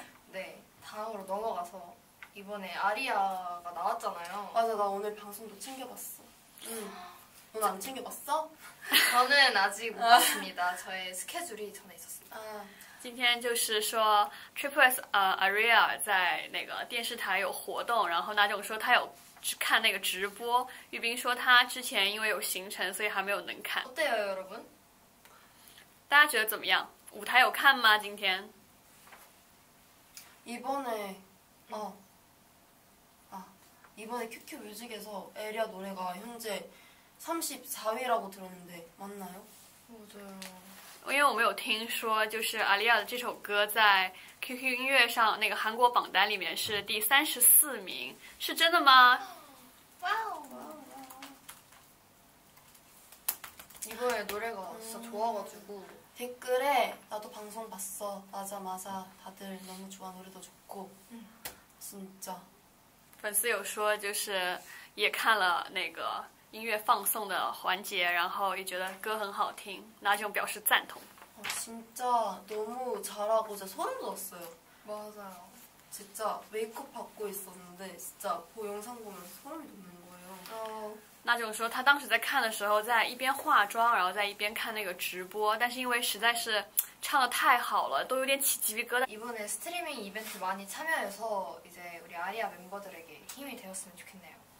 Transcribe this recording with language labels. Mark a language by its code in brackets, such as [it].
[ko] 네다음으로넘어가서이번에아리아가나왔잖아요 맞아나오늘방송도챙겨봤어오늘안챙겨봤어 저는아직못봤습니다저의스케줄이전에있었습니다 [zh] 今天就是说 tripleS Aria 在那个电视台有活动然后那种说他有看那个直播玉斌说他之前因为有行程所以还没有能看 [ko] 어때요여러분 [zh] 大家觉得怎么样舞台有看吗今天 [ko] 이번에이번에 QQ 뮤직에서에리아노래가현재34위라고들었는데맞나요 맞아요 [zh] 因为我们有听说就是阿利亚的这首歌在 QQ 音乐上那个韩国榜单里面是第34名是真的吗哇哦哇哦 [ko] 이번에노래가진짜좋아가지고 댓글에나도방송봤어맞아맞아다들너무좋아노래도좋고진짜 [zh] 粉丝有说就是也看了那个音乐放送的环节然后也觉得歌很好听那就表示赞同 [ko] 진짜너무잘하고진짜소름돋았어요 맞아요 진짜메이크업받고있었는데진짜보영상보면소름돋는거예요 [zh] 那就说他当时在看的时候在一边化妆然后在一边看那个直播但是因为实在是唱得太好了都有点起鸡皮疙瘩 [ko] 이번에스트리밍이벤트많이참여해서이제우리아리아멤버들에게힘이되었으면좋겠네요